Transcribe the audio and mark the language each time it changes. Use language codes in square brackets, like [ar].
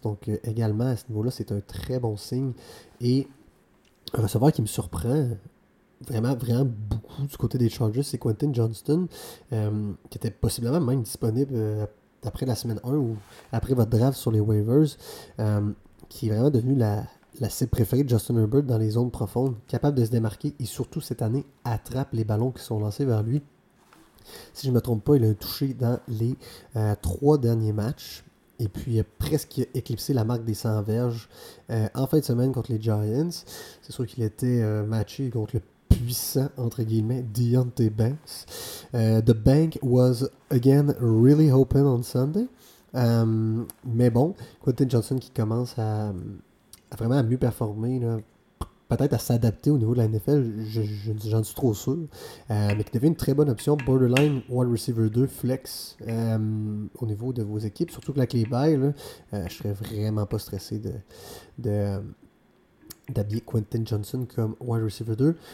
[fr] Donc également à ce niveau-là, c'est un très bon signe. Et un receveur qui me surprend vraiment, vraiment beaucoup du côté des Chargers, c'est Quentin Johnston, qui était possiblement même disponible après la semaine 1 ou après votre draft sur les waivers, qui est vraiment devenu la cible préférée de Justin Herbert dans les zones profondes, capable de se démarquer et surtout cette année attrape les ballons qui sont lancés vers lui. Si je ne me trompe pas, il a touché dans les trois derniers matchs et puis il a presque éclipsé la marque des 100 verges en fin de semaine contre les Giants. C'est sûr qu'il était matché contre le puissant, entre guillemets, Deontay Banks. [en] The bank was again really open on Sunday. [fr] Mais bon, Quentin Johnson qui commence à vraiment à mieux performer, là, peut-être à s'adapter au niveau de la NFL, j'en suis trop sûr. Mais qui devient une très bonne option, borderline wide receiver 2 flex au niveau de vos équipes, surtout avec les bails, je serais vraiment pas stressé d'habiller Quentin Johnson comme wide receiver 2.